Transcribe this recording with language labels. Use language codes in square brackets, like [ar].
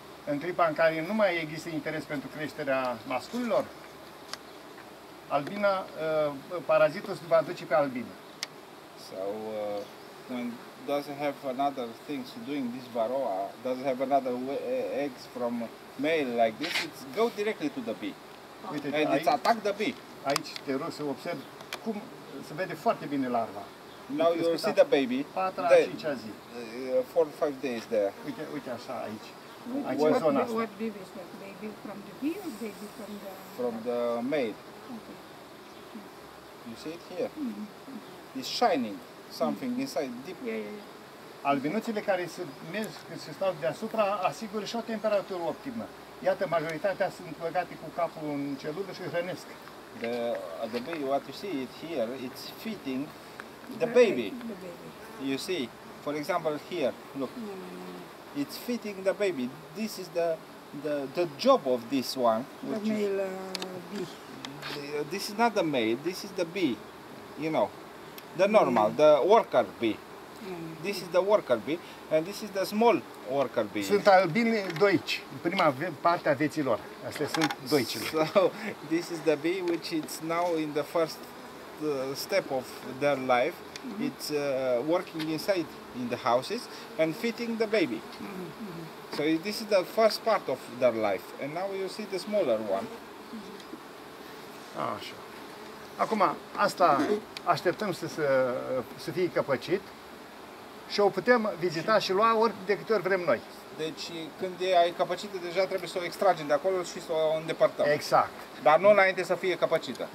[ro] În clipa în care nu mai există interes pentru creșterea masculilor, albina parazitul se va duce pe albină. [en] So when doesn't have another things doing this varroa, doesn't have another eggs from male like this, it's go directly to the bee. [ro] Uite, [en] and it's attack the bee. [ro] Aici te rog să observi cum se vede foarte bine larva. [en] Now you see the baby. [ro] 4-5 zi. [en] 4-5 days there. [ro] Uite așa aici. Aici [en] what, [ro] în zona asta. [en] What baby is that? Baby from the bee or baby from the... From the maid. Okay. You see it here? It's shining something inside, deep. Yeah. [ro] Albinuțele care se stau deasupra asigură și o temperatură optimă. Iată, majoritatea sunt băgate cu capul în celulă și hrănesc. [en] the baby, what you see it here, it's feeding the baby. The baby. You see, for example, here, look. Yeah. It's feeding the baby. This is the job of this one. Which the male bee. This is not the male, this is the bee, you know, the normal, the worker bee. This is the worker bee and this is the small worker bee. [ro] Sunt albine doici, în prima parte a vieții lor. Astea sunt doicile. [en] So, this is the bee which is now in the first step of their life. Mm-hmm. It's working inside in the houses and feeding the baby. Mm-hmm. So this is the first part of their life. And now you see the smaller one. [ro] Așa. Acum, asta așteptăm să fie căpăcit și o putem vizita și lua ori de câte ori vrem noi. Deci, când e ai căpăcită, deja trebuie să o extragem de acolo și să o îndepărtăm. Exact. Dar nu înainte să fie căpăcită.